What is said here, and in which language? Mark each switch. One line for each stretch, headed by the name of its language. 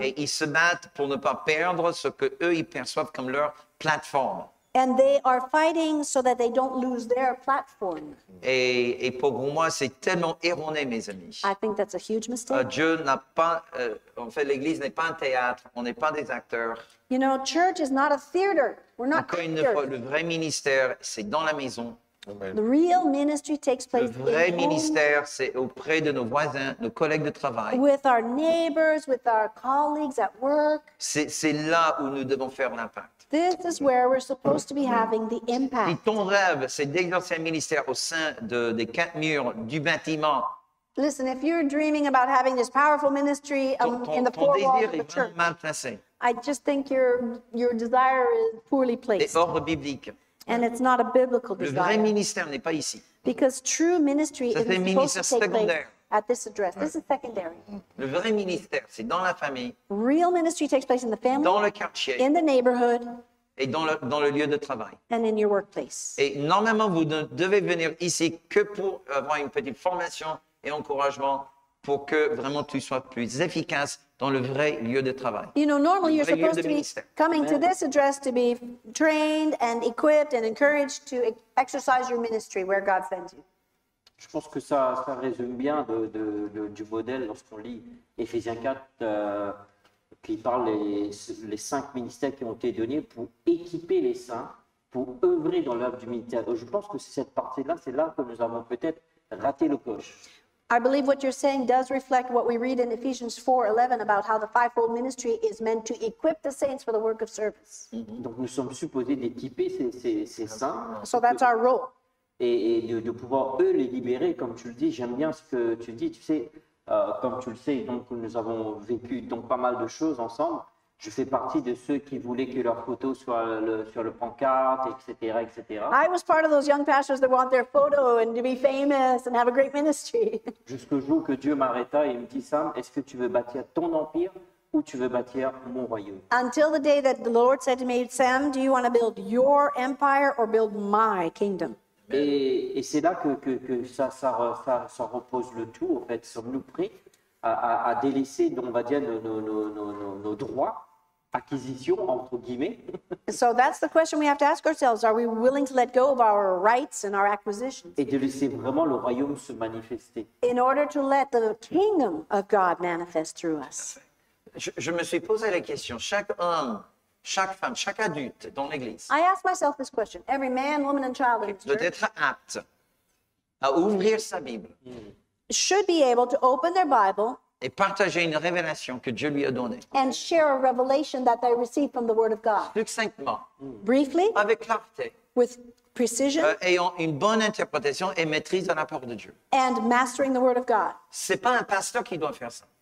French: Et ils se battent pour ne pas perdre ce que eux ils perçoivent comme leur plateforme.
English: And they are fighting so that they don't lose their platform.
French: Et pour moi, c'est tellement erroné, mes amis.
English: I think that's a huge mistake.
French: Dieu n'a pas, en fait, l'Église n'est pas un théâtre, on n'est pas des acteurs.
English: You know, church is not a theater. We're not theater.
French: Encore une fois, le vrai ministère, c'est dans la maison.
English: Amen. The real ministry takes place in home.
French: Le vrai ministère,
English: home.
French: C'est auprès de nos voisins, nos collègues de travail.
English: With our neighbors, with our colleagues at work.
French: C'est là où nous devons faire l'impact.
English: This is where we're supposed to be having the impact.
French: Si ton rêve, c'est d'exercer un ministère au sein des quatre murs du bâtiment.
English: Listen, if you're dreaming about having this powerful ministry in the four walls of the church,
French: mal placé.
English: I just think your desire is poorly placed.
French: C'est hors biblique.
English: And it's not a biblical desire.
French: Le vrai ministère n'est pas ici.
English: Because true ministry
French: ça,
English: is supposed
French: ministère
English: to take
French: secondaire.
English: Place. At this address. This is secondary.
French: Le vrai ministère, c'est dans la famille.
English: Real ministry takes place in the family.
French: Dans le quartier.
English: In the neighborhood.
French: Et dans le lieu de travail.
English: And in your workplace.
French: Et normalement, vous ne devez venir ici que pour avoir une petite formation et encouragement pour que vraiment tu sois plus efficace dans le vrai lieu de travail.
English: You know, normally you're supposed to be coming to this address to be trained and equipped and encouraged to exercise your ministry where God sends you.
French: Je pense que ça résume bien du modèle lorsqu'on lit Éphésiens 4 qui parle les cinq ministères qui ont été donnés pour équiper les saints, pour œuvrer dans l'œuvre du ministère. Je pense que c'est cette partie-là, c'est là que nous avons peut-être raté le coche.
English: I believe what you're saying does reflect what we read in Ephesians 4:11 about how the fivefold ministry is meant to equip the saints for the work of service.
French: Donc nous sommes supposés d'équiper ces saints.
English: So that's our role.
French: Et de pouvoir, eux, les libérer, comme tu le dis. J'aime bien ce que tu dis, tu sais, comme tu le sais, donc nous avons vécu donc pas mal de choses ensemble. Je fais partie de ceux qui voulaient que leurs photos soient sur le pancarte, etc., etc.
English: I was part of those young pastors that want their photo and to be famous and have a great ministry.
French: Jusqu'au jour que Dieu m'arrêta et me dit, Sam, est-ce que tu veux bâtir ton empire où tu veux bâtir mon royaume.
English: Until the day that the Lord said to me, Sam, do you want to build your empire or build my kingdom?
French: Et c'est là que ça repose le tout, en fait. Sommes-nous prêts à délaisser, on va dire, nos droits, acquisition entre guillemets?
English: So that's the question we have to ask ourselves. Are we willing to let go of our rights and our acquisitions?
French: Et de laisser vraiment le royaume se manifester.
English: In order to let the kingdom of God manifest through us.
French: Je me suis posé la question, chaque femme, chaque adulte dans l'église.
English: I ask myself this question. Every man, woman and child in the church.
French: Doit être apte à ouvrir sa Bible.
English: Should be able to open their Bible.
French: Et partager une révélation que Dieu lui a donnée.
English: And share a revelation that they received from the word of God.
French: Succinctement.
English: Briefly.
French: Avec clarté.
English: With precision.
French: Ayant une bonne interprétation et maîtrise de la parole de Dieu.
English: And mastering the word of God.
French: C'est pas un pasteur qui doit faire ça.